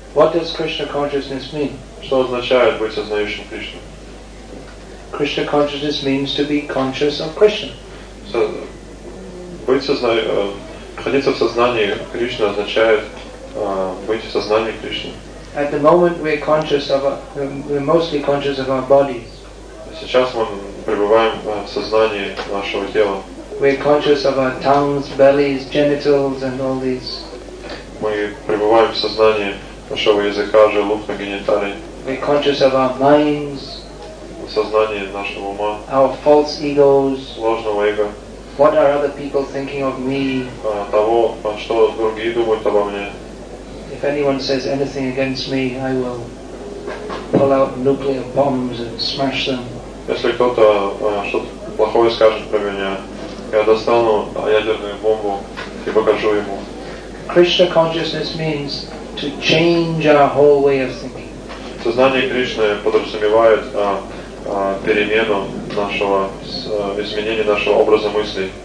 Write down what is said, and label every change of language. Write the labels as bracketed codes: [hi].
[en] What does Krishna consciousness mean? [ru] Что означает быть сознающим Кришну? [en] Krishna consciousness means to be conscious of Krishna. [ru] Находиться в сознании Кришны означает быть в сознании Кришны. [en] At the moment we're conscious of we're mostly conscious of our bodies. [ru] Сейчас мы пребываем в сознании нашего тела. [en] We're conscious of our tongues, bellies, genitals, and all these. [ru] Мы пребываем в сознании нашего языка, желудка, гениталий. [en] We're conscious of our minds. [ru] В сознании нашего ума. [en] Our false egos. [ru] Ложного эго. [en] What are other people thinking of me? [ru] Того, что другие думают обо мне. [en] If anyone says anything against me, I will pull out nuclear bombs and smash them. [ru] Если кто-то что-то плохое скажет про меня, я достану ядерную бомбу и покажу ему. [en] Krishna consciousness means to change our whole way of thinking. [ru] Сознание Кришны подразумевает перемену нашего, изменение нашего образа мыслей.